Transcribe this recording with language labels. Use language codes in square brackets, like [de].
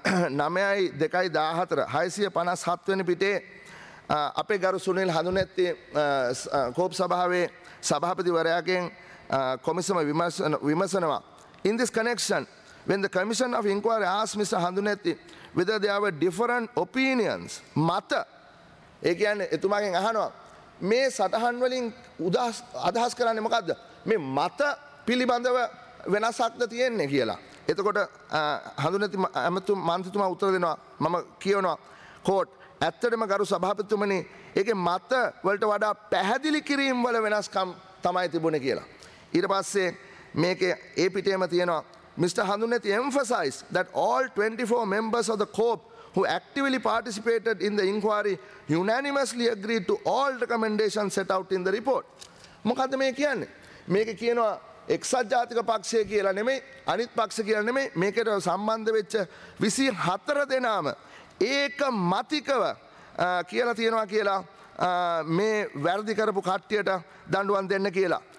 [si] 9.2.14 657 වෙනි පිටේ අපේ ගරු සුනිල් හඳුනෙත්ති කෝප් සභාවේ සභාපතිවරයාගෙන් කොමිසම විමසනවා. [en] In this connection, when the Commission of Inquiry asked Mr. Handunetti whether there were different opinions, [si] mata, ඒ කියන්නේ එතුමාගෙන් අහනවා මේ සටහන් වලින් අදහස් කරන්නේ මොකද්ද, මේ මත පිළිබඳව වෙනසක්ද තියෙන්නේ කියලා. එතකොට හඳුනති ඇමතුම් මන්ත්‍රීතුමා උත්තර දෙනවා. මම කියනවා, quote, ඇත්තටම ගරු සභාපතිතුමනි ඒකේ මත වලට වඩා පැහැදිලි කිරීම වල වෙනස්කම් තමයි තිබුණේ කියලා. ඊට පස්සේ මේකේ ඒ පිටේම තියෙනවා Mr. [en] Handunethi emphasized that all 24 members of the COP who actively participated in the inquiry unanimously agreed to all recommendations set out in the report. [si] මොකද මේ කියන්නේ? මේක කියනවා එක්සත් ජාතික පක්ෂය කියලා නෙමෙයි අනිත් පක්ෂ කියලා නෙමෙයි මේකට සම්බන්ධ වෙච්ච 24 දෙනාම ඒකමතිකව කියලා තියනවා කියලා මේ වැරදි කරපු කට්ටියට දඬුවම් දෙන්න කියලා.